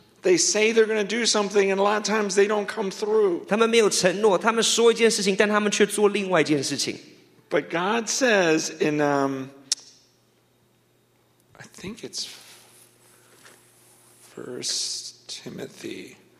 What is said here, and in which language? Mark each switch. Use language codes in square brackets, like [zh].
[en] They say they're going to do something, and a lot of times they don't come through. [zh] 他们没有承诺，他们说一件事情，但他们却做另外一件事情。 [en] But God says in, I think it's 1 Timothy.